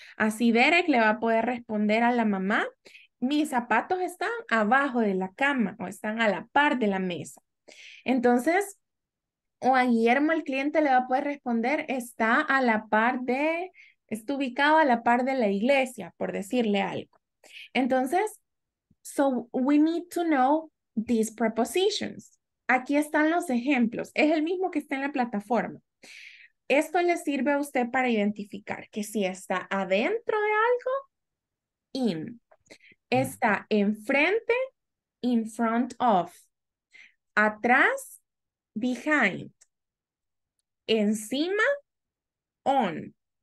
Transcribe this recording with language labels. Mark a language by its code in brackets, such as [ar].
[es] Así Derek le va a poder responder a la mamá, mis zapatos están abajo de la cama o están a la par de la mesa. Entonces, o a Guillermo, el cliente, le va a poder responder, está ubicado a la par de la iglesia, por decirle algo. [en] Entonces, so we need to know these prepositions. [es] Aquí están los ejemplos. Es el mismo que está en la plataforma. Esto le sirve a usted para identificar que si está adentro de algo, in. Está enfrente, in front of. Atrás, behind. Encima, on.